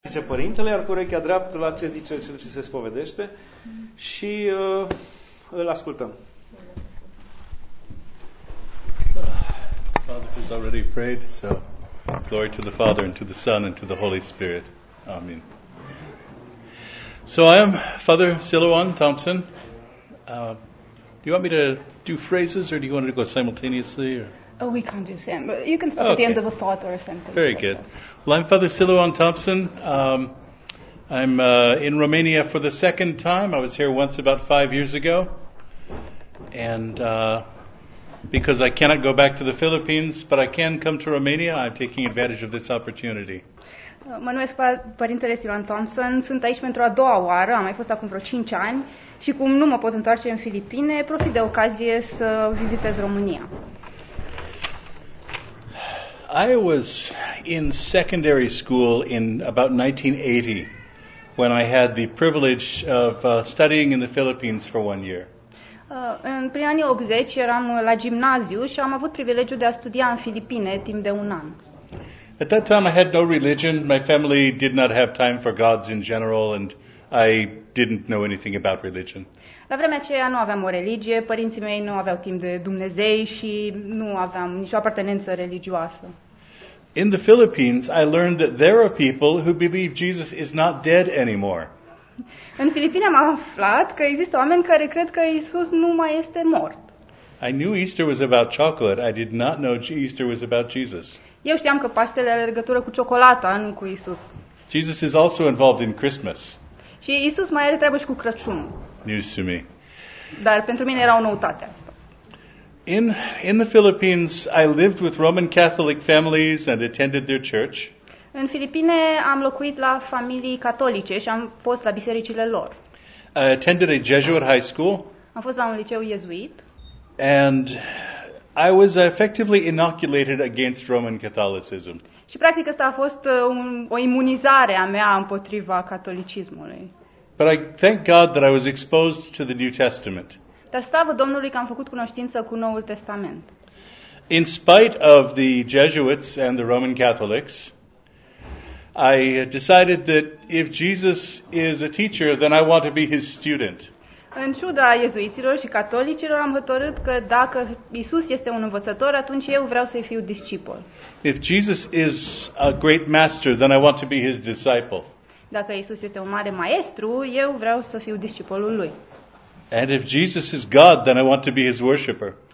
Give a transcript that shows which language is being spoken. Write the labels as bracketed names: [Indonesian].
[Romanian] zice părintele, iar cu urechea dreaptă la ce zice cel ce se spovedește și îl ascultăm. [English] Father has already prayed, so glory to the Father and to the Son and to the Holy Spirit. Amen. So I am Father Siloan Thompson. Do you want me to do phrases or do you want to go simultaneously? Or? Oh, we can't do same, but you can stop okay. At the end of a thought or a sentence. Very like good. This. Well, I'm Father Siloan Thompson. I'm in Romania for the second time. I was here once about 5 years ago. And because I cannot go back to the Philippines, but I can come to Romania, I'm taking advantage of this opportunity. [Romanian] Mă numesc Părintele Siloan Thompson, sunt aici pentru a doua oară, am mai fost acum vreo 5 ani și cum nu mă pot întoarce în Filipine, profit de ocazie să vizitez România. [English] I was in secondary school in about 1980 when I had the privilege of studying in the Philippines for 1 year. [Romanian] Prin anii 80 eram la gimnaziu și am avut privilegiul de a studia în Filipine timp de un an. [English] At that time I had no religion, my family did not have time for gods in general and I didn't know anything about religion. [Romanian] La vremea aceea nu aveam o religie, părinții mei nu aveau timp de Dumnezei și nu aveam nicio apartenență religioasă. [English] In the Philippines I learned that there are people who believe Jesus is not dead anymore. [Romanian] În Filipine am aflat că există oameni care cred că Isus nu mai este mort. [English] I knew Easter was about chocolate. I did not know Easter was about Jesus. [Romanian] Eu știam că Paștele are legătură cu ciocolata, nu cu Isus. [English] Jesus is also involved in Christmas. [Romanian] Și Isus mai are treabă și cu Crăciun. [English] News to me. [Romanian] Dar pentru mine era o noutate asta. [English] In the Philippines, I lived with Roman Catholic families and attended their church. [Romanian] În Filipine am locuit la familii catolice și am fost la bisericile lor. [English] I attended a Jesuit high school. [Romanian] Am fost la un liceu iezuit. [English] And I was effectively inoculated against Roman Catholicism. [Romanian] Și practic asta a fost o imunizare a mea împotriva catolicismului. [English] But I thank God that I was exposed to the New Testament. [Romanian] Dar slavă Domnului că am făcut cunoștință cu Noul Testament. [English] In spite of the Jesuits and the Roman Catholics, I decided that if Jesus is a teacher, then I want to be his student. [Romanian] În ciuda iezuiților și catolicilor, am hotărât că dacă Isus este un învățător, atunci eu vreau să-i fiu discipol. [English] If Jesus is a great master, then I want to be his disciple. [Romanian] Dacă Isus este un mare maestru, eu vreau să fiu discipolul lui. [English] And if Jesus is God, then I want to be his worshipper.